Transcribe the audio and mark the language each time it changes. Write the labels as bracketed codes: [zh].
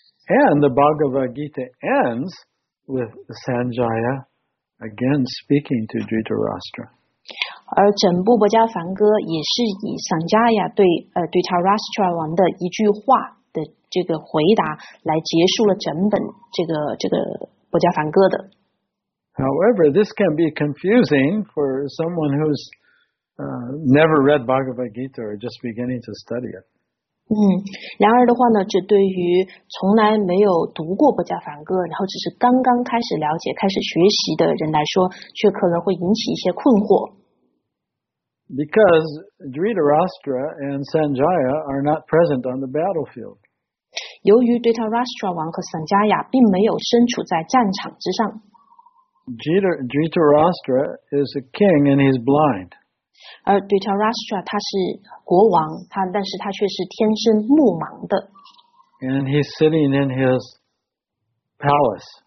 [en] And the Bhagavad Gita ends with Sanjaya again speaking to Dhritarashtra. [zh] 而整部《波迦梵歌》也是以 Sanjaya 对Dhritarashtra 王的一句话的这个回答来结束了整本这个《波迦梵歌》的。 [en] However, this can be confusing for someone who's never read Bhagavad Gita or just beginning to study it. [zh] 然而的话呢，这对于从来没有读过《波迦梵歌》，然后只是刚刚开始了解、开始学习的人来说，却可能会引起一些困惑。 [en] Because Dhritarashtra and Sanjaya are not present on the battlefield. [zh] 由于 Dhritarashtra 王和 Sanjaya 并没有身处在战场之上。 [en] Dhritarashtra is a king and he's blind. [zh] 而 Dhritarashtra 他是国王，但是他却是天生目盲的。 [en] And he's sitting in his palace.